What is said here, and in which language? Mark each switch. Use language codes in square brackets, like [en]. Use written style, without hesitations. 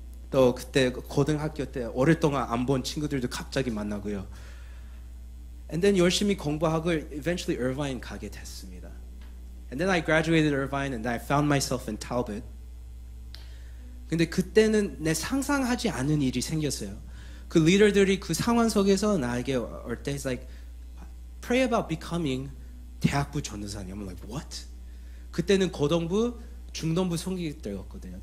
[ko] 또 그때 고등학교 때 오랫동안 안 본 친구들도 갑자기 만나고요. And then 열심히 공부하고 eventually Irvine 가게 됐습니다. [en] And then I graduated Irvine and I found myself in Talbot. [ko] 근데 그때는 내 상상하지 않은 일이 생겼어요. 그 리더들이 그 상황 속에서 나에게 올 때 [en] it's like pray about becoming [ko] 대학부 전도사님. [en] I'm like what? [ko] 그때는 고등부, 중등부 성직자였거든요.